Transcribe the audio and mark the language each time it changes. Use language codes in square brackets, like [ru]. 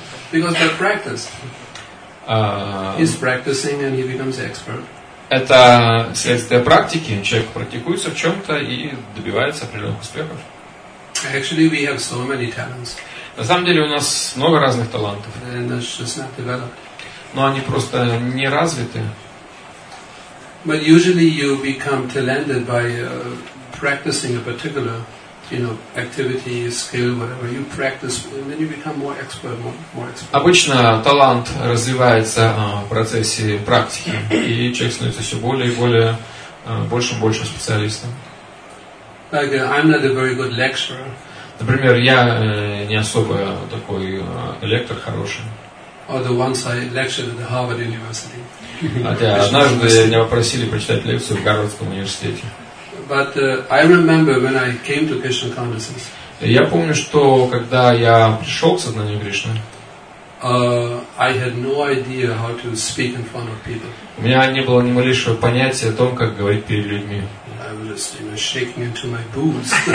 [en] Because they're practiced. He's practicing and he becomes expert. [ru] Это следствие практики. Человек практикуется в чем-то и добивается определенных успехов. [en] Actually, we have so many talents. [ru] На самом деле у нас много разных талантов. [en] And it's just not developed. [ru] Но они просто не развиты. [en] But usually you become talented by practicing a particular, you know, activity, skill, whatever. You practice, and then you become more expert, more expert. [ru] Обычно талант развивается в процессе практики, и человек становится все более и более большим и большим специалистом. [en] Like I'm not a very good lecturer. [ru] Например, я не особо такой лектор хороший. [en] Or the ones I lectured at the Harvard University. [ru] Однажды меня попросили прочитать лекцию в Гарвардском университете. [en] But I remember when I came to Krishna consciousness. [ru] Я помню, что когда я пришел к сознанию Кришны, [en] I had no idea how to speak in front of people. [ru] У меня не было ни малейшего понятия о том, как говорить перед людьми. [en] I was just, you know, shaking into my boots.